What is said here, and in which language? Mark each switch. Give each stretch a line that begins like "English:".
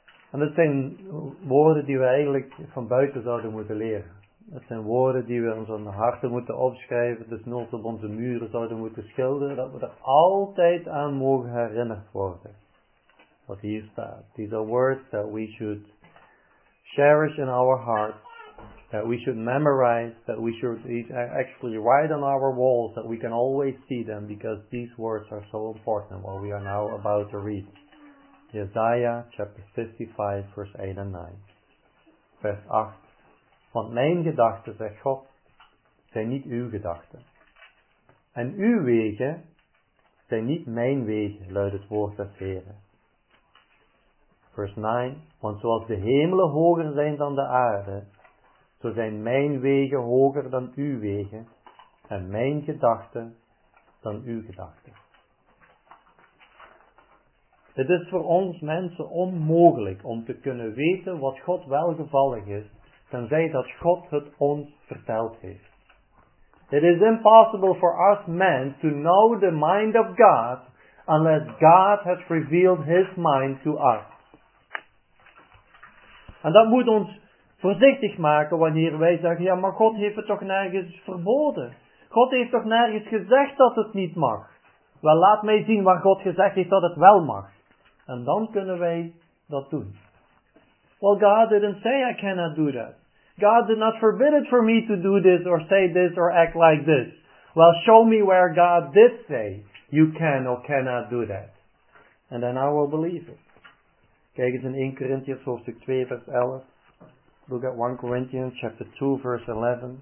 Dutch: En dat zijn woorden die we eigenlijk van buiten zouden moeten leren. Het zijn woorden die we in onze harten moeten opschrijven, dus nooit op onze muren zouden moeten schilderen, dat we er altijd aan mogen herinnerd worden. Wat hier staat.
English: These are words that we should cherish in our hearts, that we should memorize, that we should actually write on our walls, that we can always see them, because these words are so important, what we are now about to read. Jesaja, chapter 55, verse 8 and 9.
Dutch: Vers 8. Want mijn gedachten, zegt God, zijn niet uw gedachten. En uw wegen zijn niet mijn wegen, luidt het woord des Heren. Vers 9. Want zoals de hemelen hoger zijn dan de aarde, zo zijn mijn wegen hoger dan uw wegen, en mijn gedachten dan uw gedachten. Het is voor ons mensen onmogelijk om te kunnen weten wat God welgevallig is, tenzij dat God het ons verteld heeft.
English: It is impossible for us men to know the mind of God unless God has revealed his mind to us.
Dutch: En dat moet ons voorzichtig maken wanneer wij zeggen, ja, maar God heeft het toch nergens verboden. God heeft toch nergens gezegd dat het niet mag. Wel, laat mij zien waar God gezegd heeft dat het wel mag. En dan kunnen wij dat doen.
English: Well, God didn't say I cannot do that. God did not forbid it for me to do this or say this or act like this. Well, show me where God did say you can or cannot do that. And then I will believe it.
Dutch: Kijk eens in 1 Corinthians hoofdstuk 2 vers 11.
English: Look at 1 Corinthians chapter 2 verse 11.